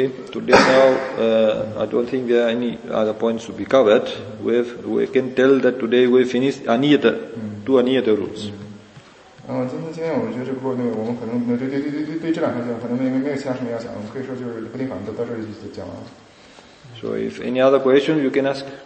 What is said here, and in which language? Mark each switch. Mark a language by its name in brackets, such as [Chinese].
[English] today now I don't think there are any other points to be covered. We can tell that today we finish aniyata, two aniyata rules. [Chinese] 今天我们觉得这部分我们可能对这两条件可能没有其他什么要讲，我们可以说就是不定法，到这里就讲完了。 [English] So if any other question you can ask.